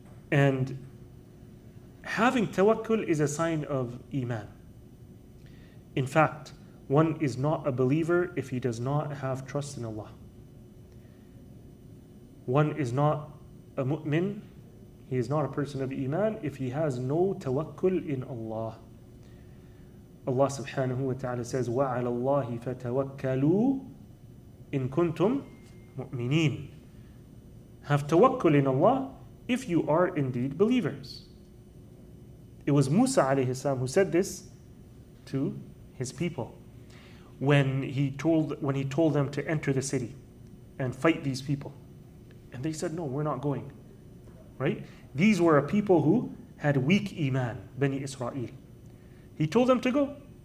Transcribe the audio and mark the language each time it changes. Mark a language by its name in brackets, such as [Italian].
[English] And having tawakkul is a sign of iman. In fact, one is not a believer if he does not have trust in Allah. One is not a mu'min, he is not a person of iman, if he has no tawakkul in Allah. [Arabic] Allah subhanahu wa ta'ala says, وَعَلَى اللَّهِ فَتَوَكَّلُوا إِن كُنْتُمْ مُؤْمِنِينَ. [English] Have tawakkul in Allah if you are indeed believers. It was Musa alayhi salam who said this to his people when he told them to enter the city and fight these people. And they said, no, we're not going. Right? These were a people who had weak iman, Bani Israel. He told them to go.